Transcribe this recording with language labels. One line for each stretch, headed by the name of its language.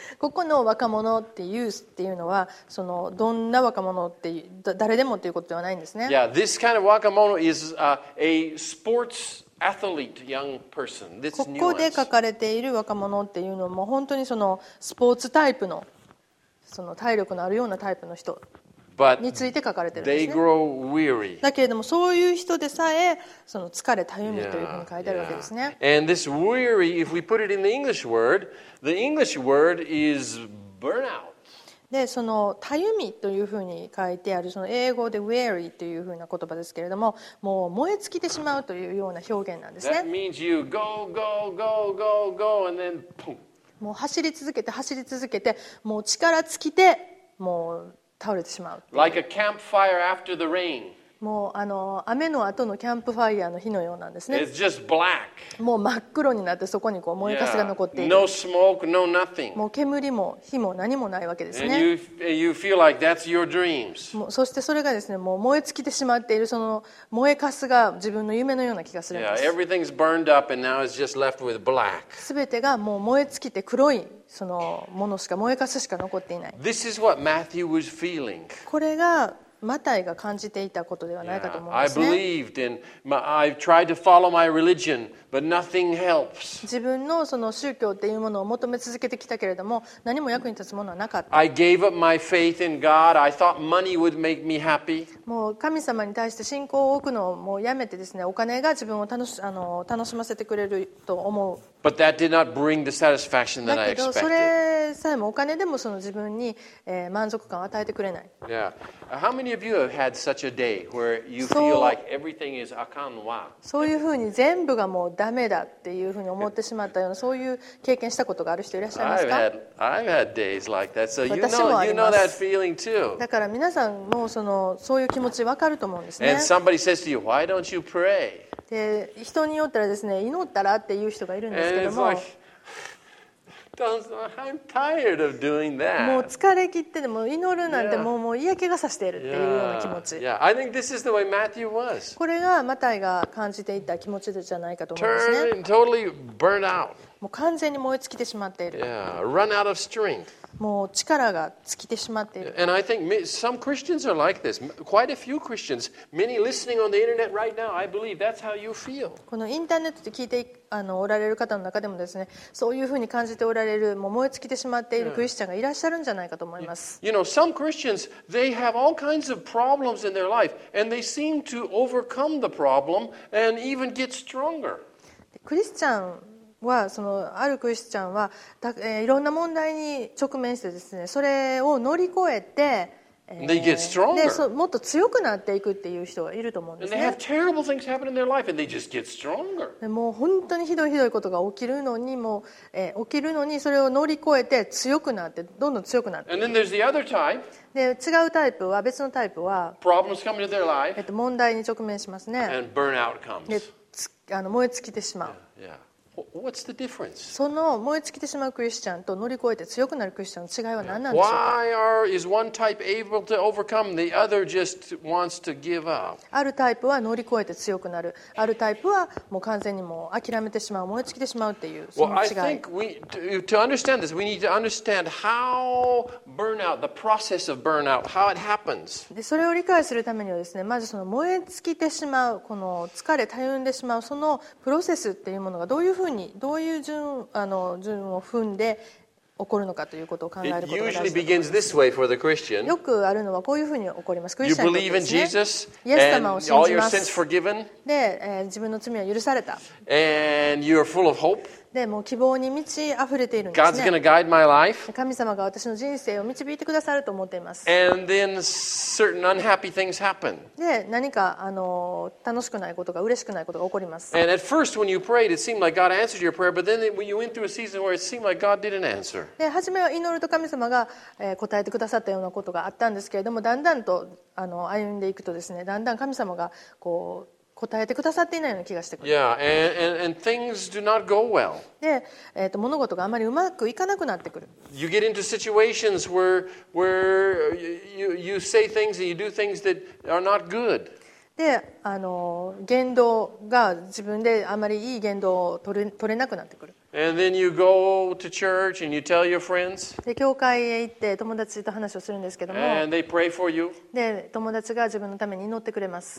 Japanese: ここの若者って youth っていうのは、そのどんな若者って誰でもということではないんですね。
English: Yeah, this kind of 若者 is a sports athlete, young person. This nuance.
Japanese: ここで書かれている若者っていうのも本当にそのスポーツタイプの、その体力のあるようなタイプの人。
English: But
Japanese: について書かれてるんですね。
English: They grow weary.
Japanese: だけれどもそういう人でさえその疲れたゆみというふうに書いてあるわけですね。
English: yeah, yeah. And this weary, if we put it in the English word is burnout.
Japanese: で、そのたゆみというふうに書いてあるその英語で weary というふうな言葉ですけれども、もう燃え尽きてしまうというような表現なんですね。
English: That means you go, go, go, go, go, and then boom.
Japanese: もう走り続けて走り続けて、もう力尽きてもう倒れてしまう。
English: Like a campfire after the rain.
Japanese: もうあの雨の後のキャンプファイヤーの火のようなんですね。
English: It's just black.
Japanese: もう真っ黒になってそこにこう燃えかすが残っている。
English: Yeah. No smoke, no nothing.
Japanese: もう煙も火も何もないわけですね。
English: And you feel like that's your dreams.
Japanese: もうそしてそれがですね、もう燃え尽きてしまっているその燃えかすが自分の夢のような気がするんです。
English: Yeah, everything's burned up and now it's just left with black.
Japanese: 全てがもう燃え尽きて黒いそのものしか燃えかすしか残っていない。
English: This is what Matthew was feeling.
Japanese: これがマタイが感じていたことではないかと思うんですね。
English: I believed and I've tried to follow my religion, but nothing helps.
Japanese: 自分のその宗教っていうものを求め続けてきたけれども、何も役に立つものはなかった。
English: I gave up my faith in God. I thought money would make me happy.
Japanese: もう神様に対して信仰を置くのをもうやめてですね、お金が自分を楽しませてくれると思う。
English: But that did not bring the satisfaction that I expected.
Japanese: それさえもお金でもその自分に満足感を与えてくれない。
English: Yeah. How many of you have had such a day where you feel like everything is
Japanese: あかんわ。そういうふうに全部がもうダメだっていうふうに思ってしまったような、そういう経験したことがある人いらっしゃいますか？
English: I've had days like that. So you know that feeling too.
Japanese: だから皆さんもその、そういう気持ち分かると思うんですね。
English: And somebody says to you, why don't you pray?
Japanese: で、人によったらですね、祈ったらっていう人がいるんですけども、
English: I'm tired of doing that.
Japanese: もう疲れ切って、でも祈るなんてもう嫌気がさしているっていうような気持ち。
English: yeah. I think this is the way Matthew was.
Japanese: これがマタイが感じていた気持ちじゃないかと思うんですね。
English: totally burn out.
Japanese: もう完全に燃え尽きてしまっている。
English: yeah. Run out of strength.
Japanese: もう力が尽きてしまっている。
English: And I think some Christians are like this. Quite a few Christians, many listening on the internet right now, I believe that's how you feel.
Japanese: このインターネットで聞いておられる方の中でもですね、そういうふうに感じておられる、もう燃え尽きてしまっているクリスチャンがいらっしゃるんじゃないかと思います。
English: You know, some Christians, they have all kinds of problems in their life, and they seem to overcome the problem and even get stronger.
Japanese: クリスチャンはそのあるクリスチャンはいろんな問題に直面してですね、それを乗り越えて、
English: They get stronger.
Japanese: でそもっと強くなっていくっていう人がいると思うんですね。
English: And they have terrible things happen in their life, and they just get stronger.
Japanese: でもう本当にひどいひどいことが起きるのにも、起きるのにそれを乗り越えて強くなって、どんどん強くなっていく。
English: And then there's the other type.
Japanese: で違うタイプは、別のタイプは、
English: Problems come into their life.
Japanese: 問題に直面しますね。
English: And burnout comes.
Japanese: でつあの燃え尽きてしまう。
English: Yeah. Yeah. What's the difference?
Japanese: その燃え尽きてしまうクリスチャンと乗り越えて強くなるクリスチャンの違いは何なんでしょうか。
English: Why is one type able to overcome, the other just wants to give up?
Japanese: あるタイプは乗り越えて強くなる、あるタイプはもう完全にもう諦めてしまう、燃え尽きてしまうっていう、その違い。
English: Well, I think to understand this, we need to understand how burnout, the process of burnout, how it happens.
Japanese: でそれを理解するためにはですね、まずその燃え尽きてしまう、この疲れ、たゆんでしまう、そのプロセスっていうものがどういうふうに、どういう順を踏んで起こるのかということを考えることが大事です。
English: It usually begins this way for the Christian.
Japanese: よくあるのはこういうふうに起こります。クリスチャンにとってですね。
English: You believe in Jesus, and all your sins forgiven.
Japanese: で、自分の罪は許された。
English: And you're full of hope.
Japanese: でもう希望に満ち溢れているんですね。
English: guide my life.
Japanese: 神様が私の人生を導いてくださると思っています。
English: And then certain unhappy things happen.
Japanese: で何か楽しくないことが、嬉しくないことが起こります。
English: And at first when you prayed, it seemed like God answered your prayer, but then when you went through a season where it seemed like God didn't answer.
Japanese: で初めは祈ると神様が、答えてくださったようなことがあったんですけれども、だんだんと歩んでいくとですね、だんだん神様がこう答えてくださっていないような気がしてくる。
English: Yeah, and things do not go well.
Japanese: で、物事があまりうまくいかなくなってくる。
English: You get into situations where you say things and you do things that are not good.
Japanese: で、言動が自分であまりいい言動を取れなくなってくる。
English: And then you go to church and you tell your friends.
Japanese: で、教会へ行って友達と話をするんですけども。
English: And they pray for you.
Japanese: で、友達が自分のために祈ってくれます。